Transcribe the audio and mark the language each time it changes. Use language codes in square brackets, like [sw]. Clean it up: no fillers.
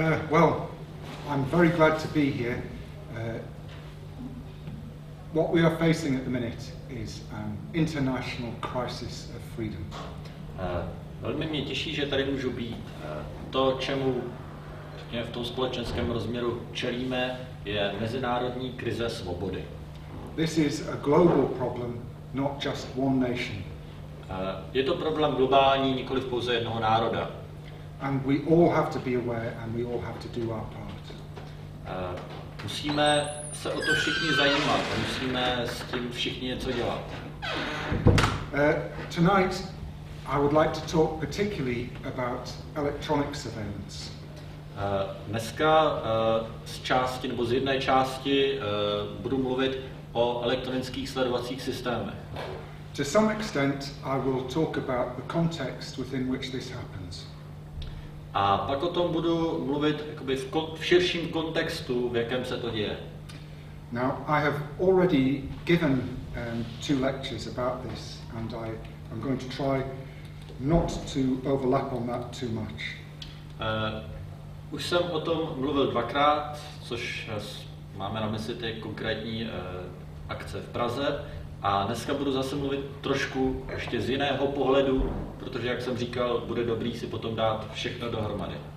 [en] Well, I'm very glad to be here. What we are facing at the minute is an international crisis of freedom. [cs] Velmi mě těší, že tady můžu být. To, čemu řekněme, v tom společenském rozměru čelíme, je mezinárodní krize svobody. [en] This is a global problem, not just one nation. [cs] Je to problém globální, nikoliv pouze jednoho národa. [en] And we all have to be aware and we all have to do our part. [cs] Musíme se o to všichni zajímat, musíme s tím všichni něco dělat. [en] Tonight I would like to talk particularly about electronic surveillance. [cs] Dneska z části nebo z jedné části budu mluvit o elektronických sledovacích systémech. [en] To some extent I will talk about the context within which this happens. [cs] A pak o tom budu mluvit jakoby v širším kontextu, v jakém se to děje. [en] Now, I have already given two lectures about this and I'm going to try not to overlap on that too much. [cs] Už jsem o tom mluvil dvakrát, což máme na mysli ty konkrétní akce v Praze. A dneska budu zase mluvit trošku ještě z jiného pohledu, protože jak jsem říkal, bude dobrý si potom dát všechno dohromady.